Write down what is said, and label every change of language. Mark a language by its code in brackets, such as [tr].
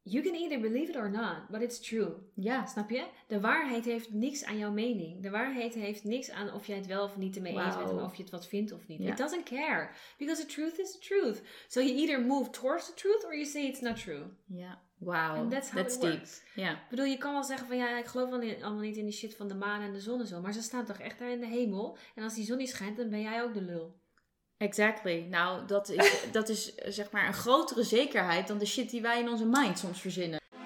[en] You can either believe it or not, but it's true. [nl] Ja. Snap je? De waarheid heeft niks aan jouw mening. De waarheid heeft niks aan of jij het wel of niet ermee eens bent. En of je het wat vindt of niet. Ja. [en] It doesn't care. Because the truth is the truth. So you either move towards the truth or you say it's not true. Ja. Wow. And that's how that's it deep. Works. [nl] Ja. Ik bedoel, je kan wel zeggen van ja, ik geloof allemaal niet in die shit van de maan en de zon en zo. Maar ze staan toch echt daar in de hemel. En als die zon niet schijnt, dan ben jij ook de lul. [en] Exactly. [nl] Nou, dat is zeg maar een grotere zekerheid dan de shit die wij in onze mind soms verzinnen.